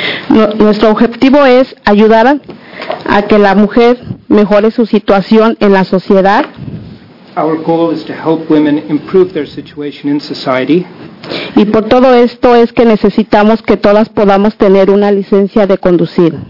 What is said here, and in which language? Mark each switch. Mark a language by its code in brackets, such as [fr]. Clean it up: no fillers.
[es] Nuestro objetivo es ayudar a que la mujer mejore su situación en la sociedad. [en] Our goal is to help women improve their situation in society. [es] Y por todo esto es que necesitamos que todas podamos tener una licencia de conducir.